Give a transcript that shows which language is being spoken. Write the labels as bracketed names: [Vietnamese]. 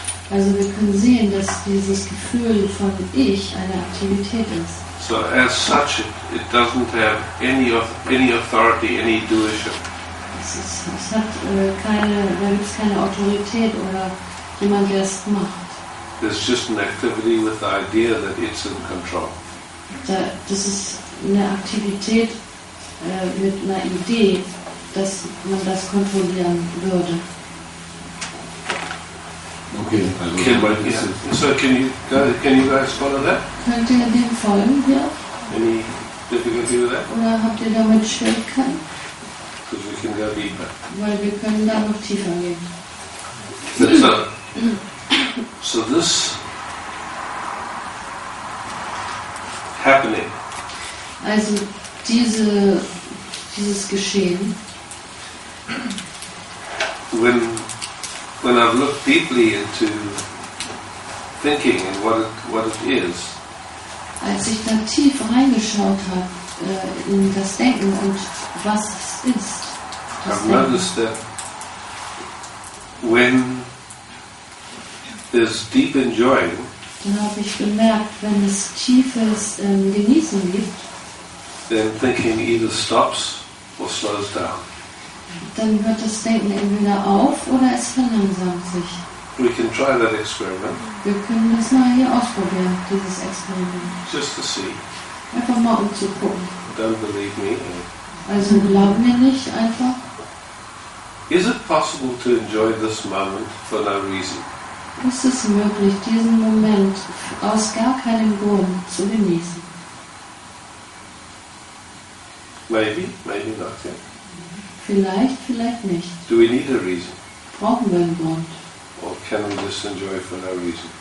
[German] Also wir können sehen, dass dieses Gefühl von Ich eine Aktivität ist. [English] So as such, it doesn't have any authority, any doership. [German] Es hat keine, da gibt es keine Autorität oder jemand, der es macht. [English] It's just an activity with the idea that it's in control. [German] Das ist eine Aktivität mit einer Idee, dass man das kontrollieren würde. Okay, also [English] so can you guys follow that? [German] Könnt ihr dem folgen, ja? [English] Any difficulty with that? [German] Oder habt ihr damit Schwierigkeiten? [English] Because we can go deeper. [German] Weil wir können da noch tiefer gehen. [English] So this happening. [German] Also dieses Geschehen. [English] When I've looked deeply into thinking and what it is. [German] Als ich da tief reingeschaut habe in das Denken und was es ist. [English] I've noticed that when there's deep enjoying, [German] dann habe ich gemerkt, wenn es tiefes Genießen gibt, [English] then thinking either stops or slows down. [German] Dann hört das Denken entweder auf oder es verlangsamt sich. [English] We can try that experiment. [German] Wir können das mal hier ausprobieren, dieses Experiment. [English] Just to see. [German] Einfach mal um zu gucken. [English] Don't believe me. [German] Also glaub mir nicht einfach. [English] Is it possible to enjoy this moment for no reason? [German] Ist es möglich, diesen Moment aus gar keinem Grund zu genießen? [English] Maybe, maybe not, yeah. [German] Vielleicht, vielleicht nicht. [English] Do we need a reason? [German] Brauchen wir einen Grund? [English] Or can we just enjoy for no reason?